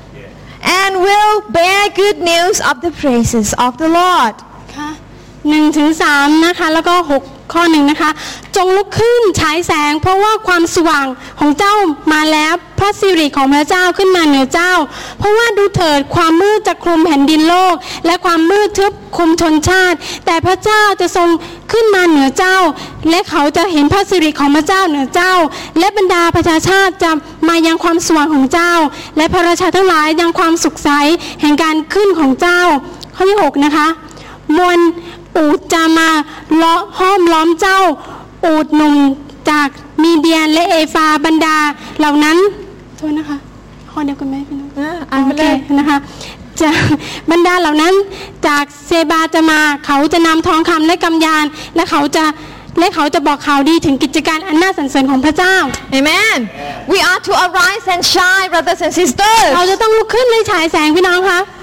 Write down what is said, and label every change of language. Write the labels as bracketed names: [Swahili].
[English] Yeah. And will bear good news of the praises of the Lord. [Thai] 1ถึง3นะคะแล้วก็6ข้อ1นะคะจงลุกขึ้นฉายแสงเพราะว่าความสว่างของเจ้ามาแล้วพระสิริของพระเจ้าขึ้นมาเหนือเจ้าเพราะว่าดูเถิดความมืดจะคลุมแผ่นดินโลกและความมืดทึบคลุมชนชาติแต่พระเจ้าจะทรงขึ้นมาเหนือเจ้า และเขาจะเห็นพระสิริของพระเจ้าเหนือเจ้าและบรรดาประชาชาติจะมายังความสว่างของเจ้าและพระราชาทั้งหลายยังความสุขใสแห่งการขึ้นของเจ้าข้อที่6นะคะมวลอูดจะมาเลาะห้อมล้อมเจ้าอูดหนุ่มจากมีเดียนและเอฟาบรรดาเหล่านั้นโทษนะคะขอเดี๋ยวคุณแม่พี่น้อง อ่านไปเลย นะคะจะบรรดาเหล่านั้นจากเซบาจะมาเขาจะนำทองคำและกำยานและเขาจะบอกข่าวดีถึงกิจการอันน่าสรรเสริญของพระเจ้า [English] Amen We are to arise and shine brothers and sisters [Thai] เราจะต้องลุกขึ้นและฉายแสงพี่น้องคะ